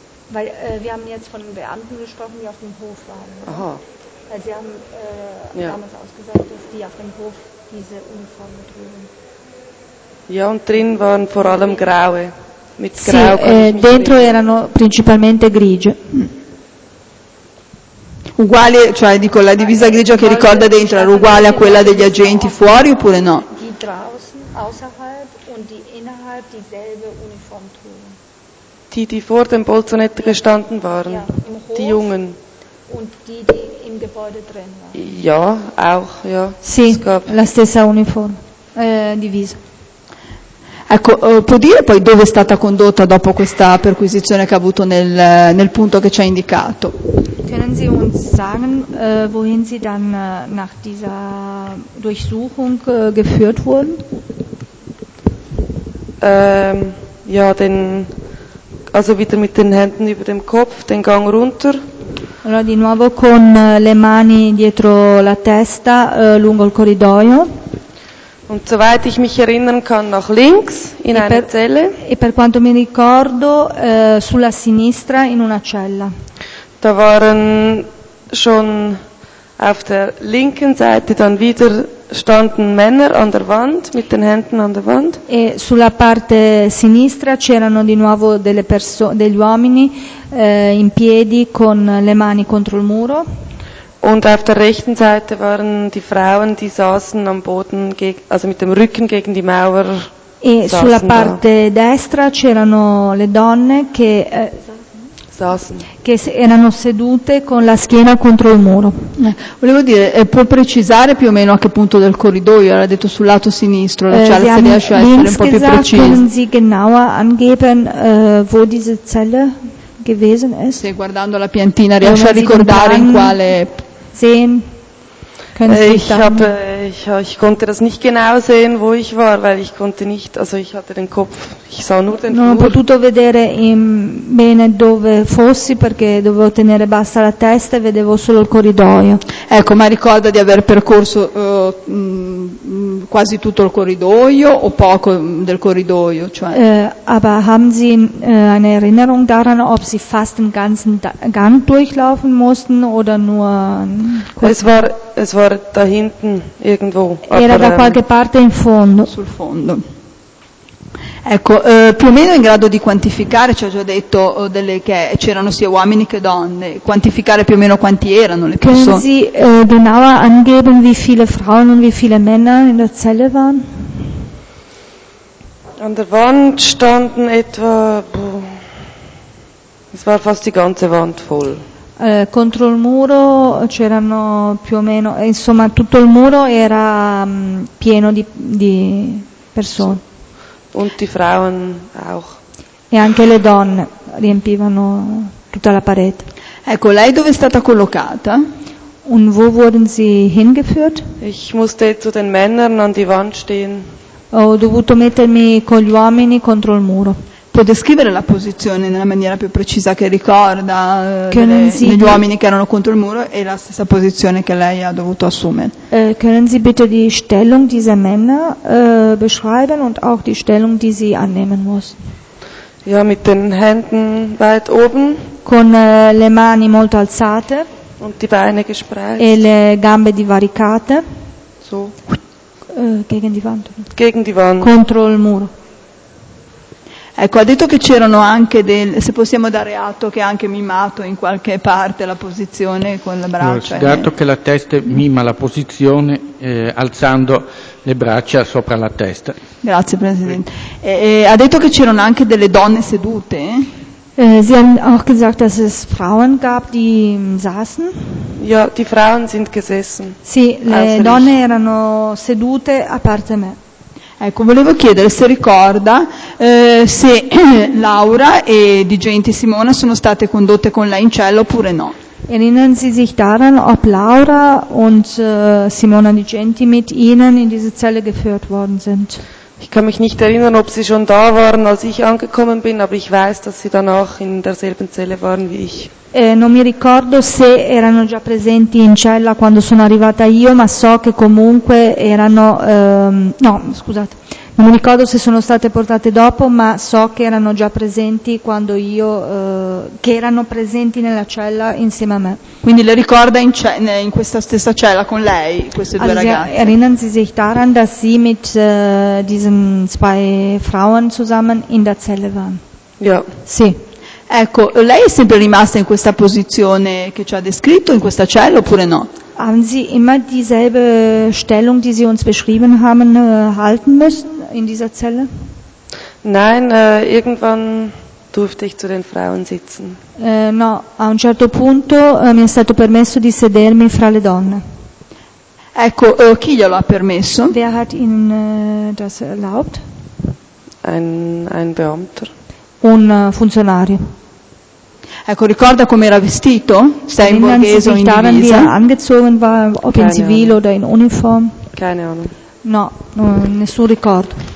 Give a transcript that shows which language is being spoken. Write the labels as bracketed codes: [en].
[de] Weil wir haben jetzt von den Beamten gesprochen, die auf dem Hof waren. Aha. Weil sie haben damals ausgesagt, dass die auf dem Hof diese Uniformen trugen. Ja, und drin waren vor allem graue. Mit grau kann ich mich [it] dentro [de] sehen. [it] Erano principalmente grigie. Uguale, cioè dico, la divisa grigia che ricorda dentro era uguale a quella degli agenti fuori oppure no? [de] Die draußen, außerhalb und die innerhalb dieselbe Uniform trugen. Die vor dem Bolzanetto gestanden waren, ja, die Jungen. Und die im Gebäude drin waren. Ja, auch, ja. [it] Sì, la stessa uniforme, divisa. Ecco, può dire poi dove è stata condotta dopo questa perquisizione che ha avuto nel punto che ci ha indicato? [de] Können Sie uns sagen, wohin Sie dann nach dieser Durchsuchung geführt wurden? Ja, denn... Also wieder mit den Händen über dem Kopf, den Gang runter. [it] Allora di nuovo con le mani dietro la testa lungo il corridoio. [de] Und soweit ich mich erinnern kann nach links in eine Zelle. [it] E per quanto mi ricordo sulla sinistra in una cella. [de] Da waren schon auf der linken Seite dann wieder standen Männer an der Wand mit den Händen an der Wand. [it] E sulla parte sinistra c'erano di nuovo delle persone, degli uomini in piedi con le mani contro il muro. [de] Und auf der rechten Seite waren die Frauen, die saßen am Boden, also mit dem Rücken gegen die Mauer. [it] E sulla parte destra c'erano le donne che, che erano sedute con la schiena contro il muro. Volevo dire, può precisare più o meno a che punto del corridoio? Era detto sul lato sinistro, la cella se riesce a essere un po' più precisa. [de] Können Sie genauer angeben, wo diese Zelle gewesen ist? [it] Se guardando la piantina riesce a ricordare in quale... [de] Sehen? Ich konnte das nicht genau sehen, wo ich war, weil ich konnte nicht, also ich hatte den Kopf, ich sah nur den Flur. [it] Non ho potuto vedere bene dove fossi perché dovevo tenere bassa la testa e vedevo solo il corridoio. Ecco, ma ricorda di aver percorso quasi tutto il corridoio o poco del corridoio, cioè. [de] Aber haben Sie eine Erinnerung daran, ob Sie fast den ganzen Gang durchlaufen mussten oder nur Es war da hinten irgendwo. [it] Era da qualche parte in fondo. Sul fondo. Ecco, più o meno in grado di quantificare, ci ho già detto delle che c'erano sia uomini che donne, quantificare più o meno quanti erano le persone. [de] Können Sie genauer angeben, wie viele Frauen und wie viele Männer in der Zelle waren? An der Wand standen etwa, es war fast die ganze Wand voll. [it] Contro il muro c'erano più o meno, insomma tutto il muro era pieno di persone. [de] Und die Frauen auch. [it] E anche le donne riempivano tutta la parete. Ecco, lei dove è stata collocata? [de] Und wo wurden sie hingeführt? Ich musste zu den Männern an die Wand stehen. [it] Ho dovuto mettermi con gli uomini contro il muro. Può descrivere la posizione nella maniera più precisa che ricorda degli uomini che erano contro il muro e la stessa posizione che lei ha dovuto assumere. [de] Können Sie bitte die Stellung dieser Männer beschreiben und auch die Stellung, die Sie annehmen mussten? Ja, mit den Händen weit oben. [it] Con le mani molto alzate. [de] Und die Beine gespreizt. [it] E le gambe divaricate. [de] So. Gegen die Wand. Gegen die Wand. [it] Contro il muro. Ecco, ha detto che c'erano anche del, se possiamo dare atto che ha anche mimato in qualche parte la posizione con le braccia. Dato che la testa mima la posizione alzando le braccia sopra la testa. Grazie Presidente. Ha detto che c'erano anche delle donne sedute? [de] Sie haben auch gesagt, dass es Frauen gab, die saßen. Ja, die Frauen sind gesessen. [it] Sì, le donne erano sedute a parte me. Ecco, volevo chiedere se ricorda se Laura e di gente Simona sono state condotte con lei in cella oppure no. [de] Erinnern Sie sich daran, ob Laura und Simona di Genti mit Ihnen in diese Zelle geführt worden sind? Ich kann mich nicht erinnern, ob sie schon da waren, als ich angekommen bin, aber ich weiß, dass sie danach in derselben Zelle waren wie ich. [it] Non mi ricordo se erano già presenti in cella quando sono arrivata io, ma so che comunque erano, no, scusate, non mi ricordo se sono state portate dopo, ma so che erano già presenti quando io, che erano presenti nella cella insieme a me. Quindi le ricorda in questa stessa cella con lei, queste due ragazze? [de] Erinnern Sie sich daran, dass Sie mit diesen zwei Frauen zusammen in der Zelle waren? Ja. [it] Sì. Ecco, lei è sempre rimasta in questa posizione che ci ha descritto, in questa cella, oppure no? [de] Haben Sie immer dieselbe Stellung, die Sie uns beschrieben haben, halten müssen in dieser Zelle? Nein, irgendwann durfte ich zu den Frauen sitzen. [it] No, a un certo punto mi è stato permesso di sedermi fra le donne. Ecco, chi glielo ha permesso? [de] Wer hat Ihnen das erlaubt? Ein Beamter. [it] Un funzionario. Ecco, ricorda come era vestito? Stai in borghese o in divisa? [de] Wie er angezogen war, ob Keine [it] in civile [de] oder in uniform? Keine Ahnung. [it] No, nessun ricordo.